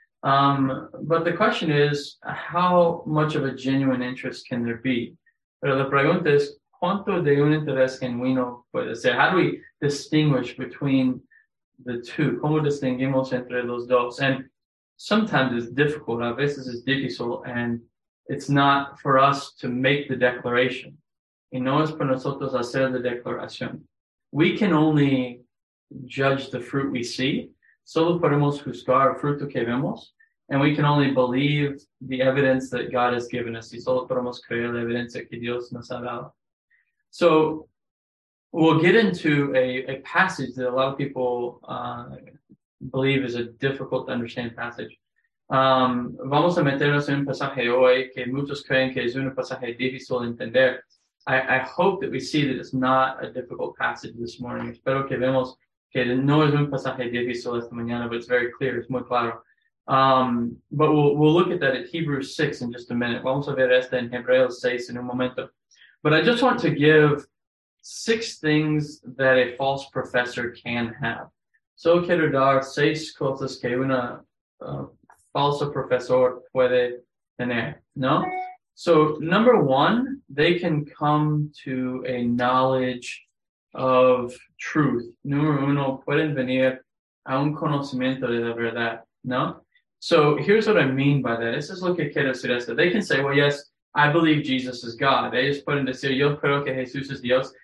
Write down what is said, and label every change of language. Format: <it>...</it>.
<en>But the question is, how much of a genuine interest can there be?</en> <es>Pero la pregunta es, ¿cuánto de un interés genuino puede ser?</es> <en>How do we distinguish between the two?</en> <es>¿Cómo distinguimos entre los dos?</es> <en>And sometimes it's difficult,</en> <es>a veces es difícil,</es> <en>and it's not for us to make the declaration.</en> <es>Y no es para nosotros hacer la declaración.</es> <en>We can only judge the fruit we see.</en> <es>Solo podemos juzgar el fruto que vemos,</es> <en>and we can only believe the evidence that God has given us.</en> <es>Y solo podemos creer la evidencia que Dios nos ha dado.</es> <en>So we'll get into a passage that a lot of people believe is a difficult to understand passage.</en> <es>Vamos a meternos en un pasaje hoy que muchos creen que es un pasaje difícil de entender.</es> <en>I hope that we see that it's not a difficult passage this morning.</en> <es>Espero que vemos que no es un pasaje difícil esta mañana,</es> <en>but it's very clear, it's</en> <es>muy claro.</es> <en>But we'll look at that at Hebrews 6 in just a minute.</en> <es>Vamos a ver esta en Hebreos 6 en un momento.</es> <en>But I just want to give six things that a false professor can have.</en> <es>So quiero dar seis cosas que una falso profesor puede tener, ¿no?</es> <en>So number one, they can come to a knowledge of truth.</en> <es>Número uno, pueden venir a un conocimiento de la verdad, ¿no?</es> <en>So here's what I mean by that. This is</en> <es>lo que quiero decir. Esto.</es> <en>They can say, well, yes, I believe Jesus is God.</en> <es>Ellos pueden decir, yo creo que Jesús es Dios.</es>